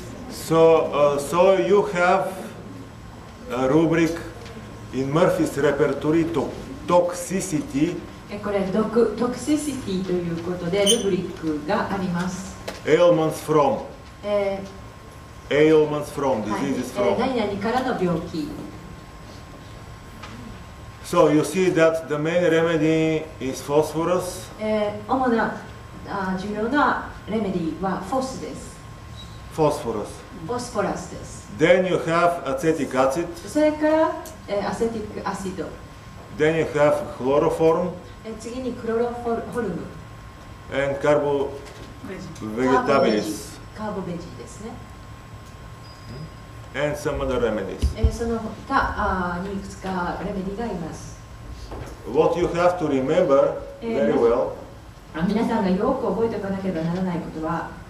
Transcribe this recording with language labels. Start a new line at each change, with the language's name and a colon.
English: So you have a rubric in Murphy's repertory to toxicity.
Japanese: これ毒、toxicity ということでルブリックがあります。
English: Ailments from. Ailments from, diseases from.
Japanese: 何々からの病気。
English: So you see that the main remedy is phosphorus.
Japanese: 主な、重要なレメディはフォスです。
English: Phosphorus.
Japanese: Phosphorus です。
English: Then you have acetic acid.
Japanese: それから、acetic acid.
English: Then you have chloroform.
Japanese: 次にクロロフォルム。
English: And carbo vegetabilis.
Japanese: カーボベジですね。
English: And some other remedies.
Japanese: その他にいくつかレメディがいます。
English: What you have to remember very well.
Japanese: 皆さんがよく覚えておかなければならないことは。